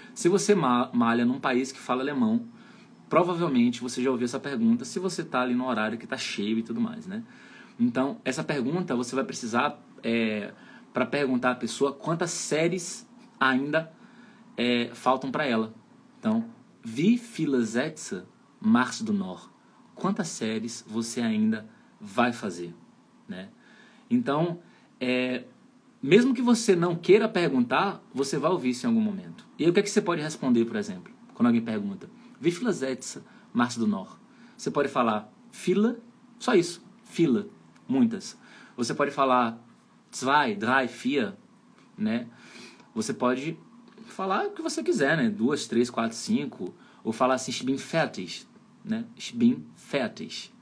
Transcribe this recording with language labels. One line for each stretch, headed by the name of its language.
Portuguese: Se você malha num país que fala alemão, provavelmente você já ouviu essa pergunta se você está ali no horário que está cheio e tudo mais, né? Então, essa pergunta você vai precisar para perguntar à pessoa quantas séries ainda faltam para ela. Então,
German: wie viele Sätze machst du noch?
Portuguese: Quantas séries você ainda vai fazer, né? Então, mesmo que você não queira perguntar, você vai ouvir isso em algum momento. E aí, o que é que você pode responder, por exemplo, quando alguém pergunta?
German: Wie viele Sätze machst du noch?
Portuguese: Você pode falar viele, só isso, viele, muitas. Você pode falar
German: zwei, drei, vier,
Portuguese: né? Você pode falar o que você quiser, né? Duas, três, quatro, cinco. Ou falar assim,
German: ich bin fertig,
Portuguese: né?
German: Ich bin fertig.